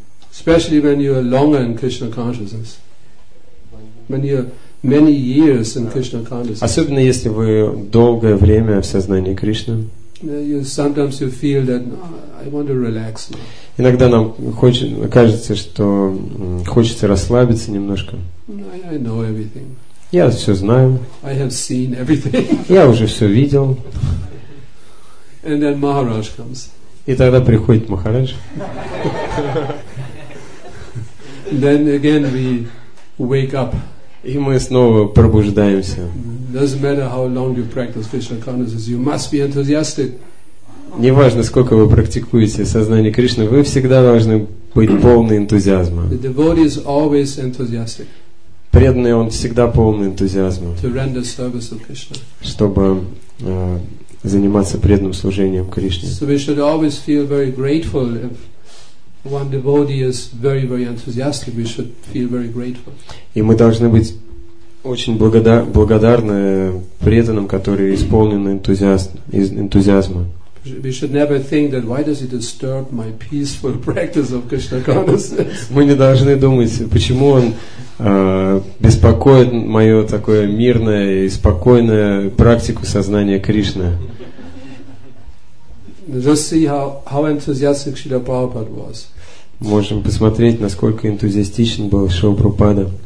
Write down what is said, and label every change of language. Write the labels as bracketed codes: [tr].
[en] Especially when you are longer in Krishna consciousness. When you are many years in Krishna consciousness. [ru] Особенно если вы долгое время в сознании Кришны. [en] Sometimes you feel that I want to relax. [ru] Иногда нам кажется, что хочется расслабиться немножко. [en] I know everything. [ru] Я все знаю. [en] I have seen everything. [ru] Я уже все видел. [en] And then Maharaj comes. [ru] И тогда приходит Махарадж. [en] Then again we wake up. [ru] И мы снова пробуждаемся. [en] Doesn't matter how long you practice Krishna consciousness, you must be enthusiastic. [ru] Неважно, сколько вы практикуете сознание Кришны, вы всегда должны быть полны энтузиазма. [en] The devotee is always enthusiastic. [ru] Преданный он всегда полный энтузиазма. [en] To render service to Krishna. [ru] Чтобы заниматься преданным служением Кришне. [en] So we should always feel very grateful if one devotee is very, very enthusiastic. We should feel very grateful. [ru] И мы должны быть очень благодарны преданным, которые исполнены энтузиазма. [en] We should never think that why does he disturb my peaceful practice of Krishna consciousness. [ru] Мы не должны думать, почему он беспокоит мое такое мирное и спокойное практику сознания Кришны. [en] Just see how enthusiastic Srila Prabhupada was. [ru] Можем посмотреть, насколько энтузиастичен был Шрила Прабхупада.